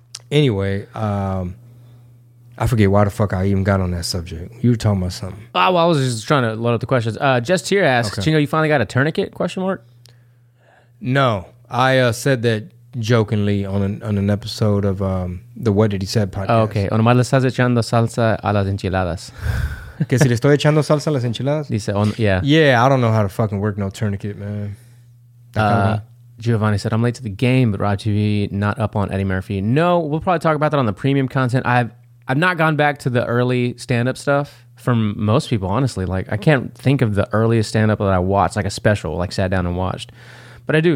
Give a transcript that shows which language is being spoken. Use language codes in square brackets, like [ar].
[en] Anyway, I forget why the fuck I even got on that subject. You were talking about something. Well, I was just trying to load up the questions. Jess Tier asks, okay. Chingo, you finally got a tourniquet? Question mark. No. I said that jokingly on an episode of the What Did He Said podcast. Oh, okay. [es] Omar le estás echando salsa a las enchiladas. Que si le estoy echando salsa a las enchiladas? [en] Dice, on, yeah. Yeah, I don't know how to fucking work no tourniquet, man. Giovanni said, I'm late to the game, but Rob TV not up on Eddie Murphy. No, we'll probably talk about that on the premium content. I've not gone back to the early stand-up stuff from most people, honestly. Like, I can't think of the earliest stand-up that I watched, like a special, like sat down and watched. But I do.